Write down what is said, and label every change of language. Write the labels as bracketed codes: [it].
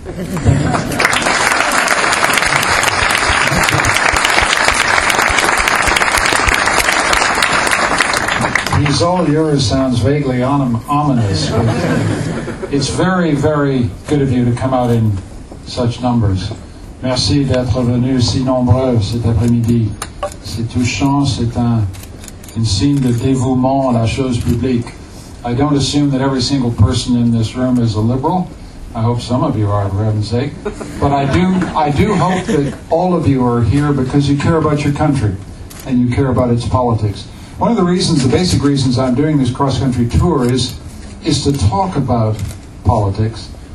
[en] He's all yours sounds vaguely ominous. It's very, very good of you to come out in such numbers. [fr] Merci d'être venu si nombreux cet après-midi. C'est touchant, c'est un signe de dévouement à la chose publique. [en] I don't assume that every single person in this room is a liberal. I hope some of you are, for heaven's sake. But I do hope that all of you are here because you care about your country and you care about its politics. One of the reasons, the basic reasons I'm doing this cross-country tour is to talk about politics.